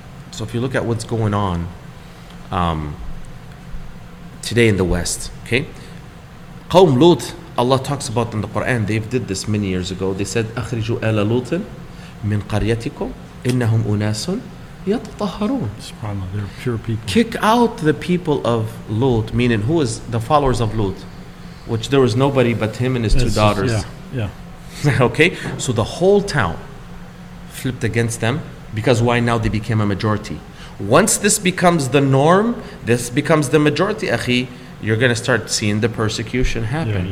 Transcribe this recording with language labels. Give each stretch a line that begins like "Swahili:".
English: So if you look at what's going on today in the West, okay? Qawm Lut, Allah talks about in the Quran, they've did this many years ago. They said,
Arabic: أَخْرِجُوا أَلَى لُوتٍ مِنْ قَرْيَتِكُمْ إِنَّهُمْ أُنَاسٌ يَتَطَهَرُونَ.
English: SubhanAllah, they're pure people. Kick out the people of Lut, meaning who is the followers of Lut, which there was nobody but him and his two daughters. Yeah. Okay, so the whole town flipped against them, because why? Now they became a majority. Once this becomes the norm, this becomes the majority, akhi, you're going to start seeing the persecution happen.